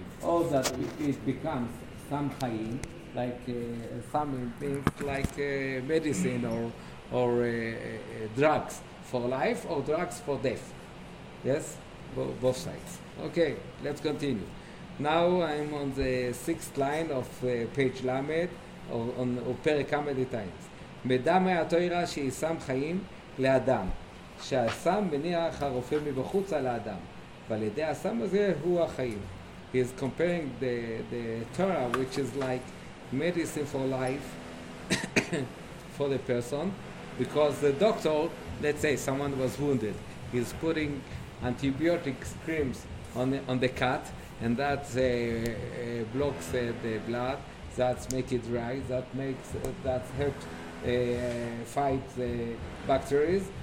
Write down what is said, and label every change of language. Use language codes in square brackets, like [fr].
[en] All that it becomes some chayim, like some things like medicine or drugs for life or drugs for death. Yes? Both sides. Okay, let's continue. Now I'm on the sixth line of page Lamed, or Perek Kamedi Times. [he] Medame HaToira she'isam chayim le'adam. שהסם מניח הרופא מבחוץ על האדם, ועל ידי הסם הזה הוא החיים. [en] He is comparing the Torah, which is like medicine for life, for the person, because the doctor, let's say someone was wounded, he's putting antibiotic creams on the cut, and that blocks the blood, that makes it dry, that helps fight the bacteria.